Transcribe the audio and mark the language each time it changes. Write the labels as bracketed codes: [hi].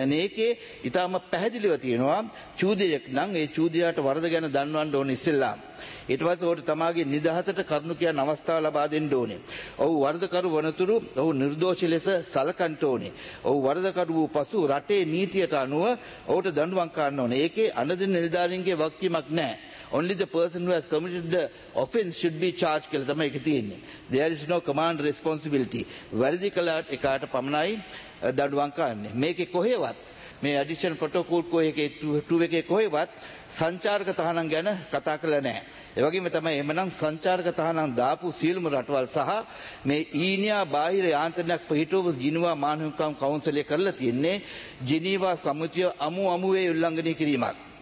[si] මේකේ ඉතාම පැහැදිලිව තියෙනවා චූදයක් නම් ඒ චූදයාට වරද ගැන දන්වන්න ඕනේ ඉස්සෙල්ලා. ඊට පස්සේ ඔහුට තමාගේ නිදහසට කරුණු කියන අවස්ථාව ලබා දෙන්න ඕනේ. ඔහු වරදකරු වනතුරු ඔහු නිර්දෝෂී ලෙස සලකන්ට ඕනේ. ඔහු වරදකරු වූ පසු රටේ නීතියට අනුව ඔහුට දඬුවම් කරන්න ඕනේ. ඒකේ අනදින නිලධාරීන්ගේ වගකීමක් නැහැ. [en] Only the person who has committed the offense should be charged [si] කියලා තමයි ඒක තියෙන්නේ. [en] There is no command responsibility. [si] වරදි කළාට එකාට පමණයි දඬුවම් කරන්නේ. මේකේ කොහෙවත් මේ ඇඩිෂනල් ප්‍රොටෝකෝල් කෝයකේ 2 එකේ කොහෙවත් සංචාරක තහනම් ගැන කතා කරලා නැහැ. ඒ වගේම තමයි එමනම් සංචාරක තහනම් දාපු සියලුම රටවල් සහ මේ ඊනියා බාහිර යාන්ත්‍රණයක් පිහිටවපු ජිනීවා මානවිකම් කවුන්සලයේ කරලා තියෙන්නේ ජිනීවා සම්මුතිය අමු අමුවේ උල්ලංඝනය කිරීමක්.